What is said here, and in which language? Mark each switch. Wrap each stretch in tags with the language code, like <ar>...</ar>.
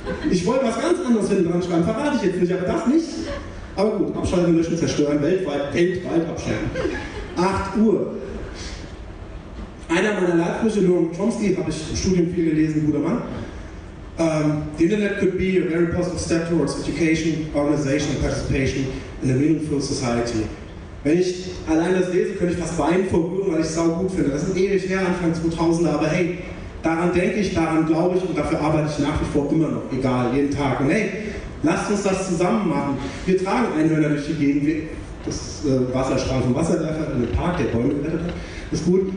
<de>Ich wollte was ganz anderes hinten dran schreiben, verrate ich jetzt nicht, aber das nicht. Aber gut, abschalten, löschen, zerstören, weltweit abschalten. 8 Uhr. Einer meiner Leitbrüche, Noam Chomsky, habe ich im Studium viel gelesen, guter Mann.</de> <en>The Internet could be a very positive step towards education, organization, participation in a meaningful society.</en> <de>Wenn ich allein das lese, könnte ich fast weinen vor Rührung, weil ich es saugut finde. Das ist ewig her, Anfang 2000er, aber hey, daran denke ich, daran glaube ich und dafür arbeite ich nach wie vor immer noch, egal, jeden Tag. Und hey, lasst uns das zusammen machen. Wir tragen Einhörner durch die Gegend. Das Wasserstrahl vom Wasserwerfer in einem Park, der Bäume gerettet hat. Ist gut.</de>